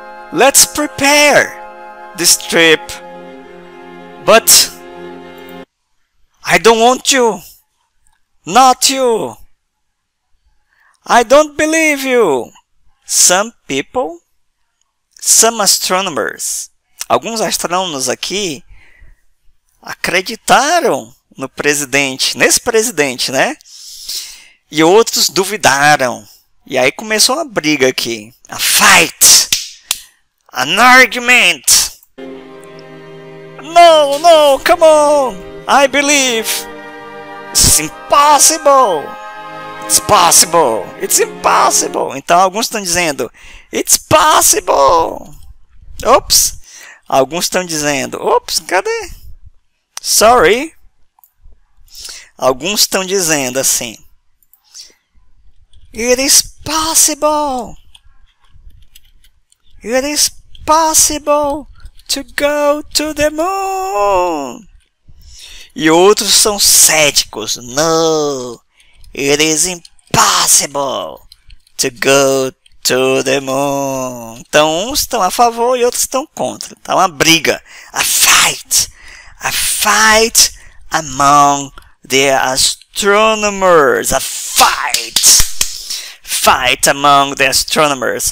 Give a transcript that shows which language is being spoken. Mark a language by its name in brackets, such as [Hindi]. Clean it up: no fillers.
[English] Let's prepare this trip. But I don't want you. Not you. I don't believe you. Some people, some astronomers. [Portuguese] Alguns astrônomos aqui acreditaram no presidente, nesse presidente, né? E outros duvidaram. E aí começou uma briga aqui. [English] A fight. An argument. No, no, come on. I believe. It's impossible. It's possible. It's impossible. [Portuguese] Então alguns estão dizendo, [English] it's possible. [Portuguese] Oops. Alguns estão dizendo, oops, cadê? Sorry. Alguns estão dizendo assim, [English] it is possible. It is possible to go to the moon. [Portuguese] E outros são céticos. [English] No, it is impossible to go to the moon. [Portuguese] Então, uns estão a favor e outros estão contra. Está uma briga. [English] A fight. A fight among the astronomers. A fight. Fight among the astronomers.